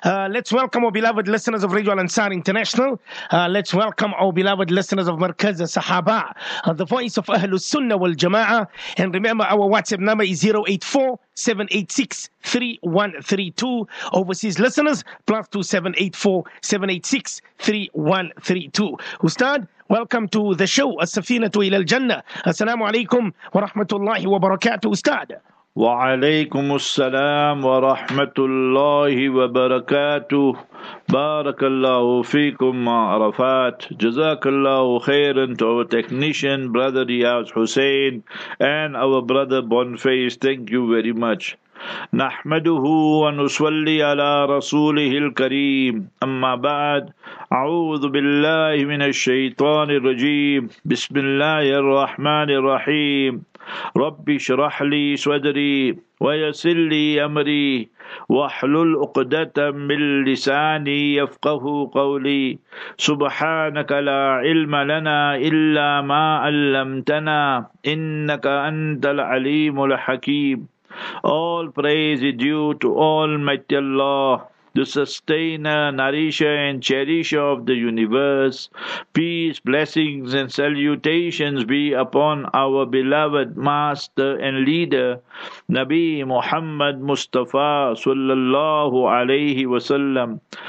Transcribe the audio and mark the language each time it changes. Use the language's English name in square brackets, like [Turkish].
[English] Let's welcome our beloved listeners of Radio Al-Ansar International. Let's welcome our beloved listeners of Markaz al-Sahaba, the voice of Ahlul Sunnah wal-Jama'ah. And remember, our WhatsApp number is 084-786-3132. Overseas listeners, plus 2784-786-3132. Ustad, welcome to the show. [Arabic] As-safinatu ila al-jannah. Assalamu alaikum wa rahmatullahi wa barakatuh, Ustad. وعليكم السلام ورحمة الله وبركاته بارك الله فيكم عرفات جزاك الله خيرا [English] to our technician brother Riyaz Hussein and our brother Bonface. Thank you very much. [Arabic] نحمده ونصلي على رسوله الكريم أما بعد أعوذ بالله من الشيطان الرجيم بسم الله الرحمن الرحيم ربي اشرح لي صدري ويسر لي أمري واحلل عقدة من لساني يفقه قولي سبحانك لا علم لنا إلا ما علمتنا إنك أنت العليم الحكيم. [English] All praise is due to Almighty Allah, the sustainer, nourisher and cherisher of the universe. Peace, blessings and salutations be upon our beloved master and leader, Nabi Muhammad Mustafa sallallahu alayhi wa sallam.